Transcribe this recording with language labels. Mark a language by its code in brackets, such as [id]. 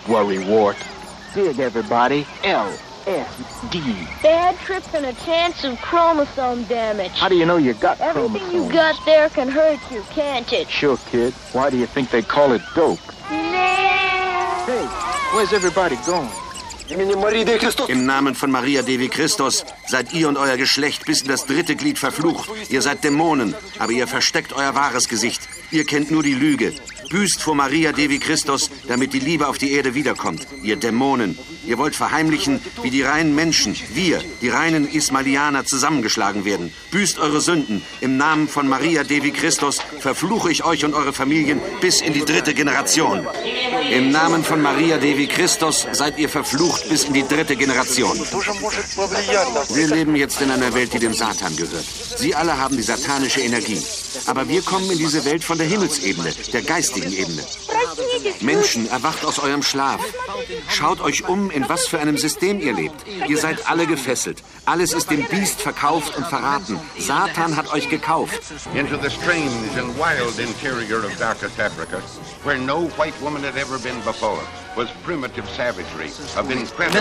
[en] Worry wart. Dig, everybody. L. S-D. Bad trips and a chance of chromosome damage. How do you know you got everything chromosomes? Everything you got there can hurt you, can't it? Sure, kid. Why do you think they call it dope? Nah. Hey, where's everybody going? [de] Im Namen von Maria Devi Christus seid ihr und euer Geschlecht bis in das dritte Glied verflucht. Ihr seid Dämonen, aber ihr versteckt euer wahres Gesicht. Ihr kennt nur die Lüge. Büßt vor Maria Devi Christus, damit die Liebe auf die Erde wiederkommt. Ihr Dämonen, ihr wollt verheimlichen, wie die reinen Menschen, wir, die reinen Ismailianer, zusammengeschlagen werden. Büßt eure Sünden. Im Namen von Maria Devi Christus verfluche ich euch und eure Familien bis in die dritte Generation. Im Namen von Maria Devi Christus seid ihr verflucht. Bis in die dritte Generation. Wir leben jetzt in einer Welt, die dem Satan gehört. Sie alle haben die satanische Energie. Aber wir kommen in diese Welt von der Himmelsebene, der geistigen Ebene. Menschen, erwacht aus eurem Schlaf. Schaut euch um, in was für einem System ihr lebt. Ihr seid alle gefesselt. Alles ist dem Biest verkauft und verraten. Satan hat euch gekauft. [en] Into the strange and wild interior of darkest Africa, where no white woman had ever been before. was primitive savagry of incredible...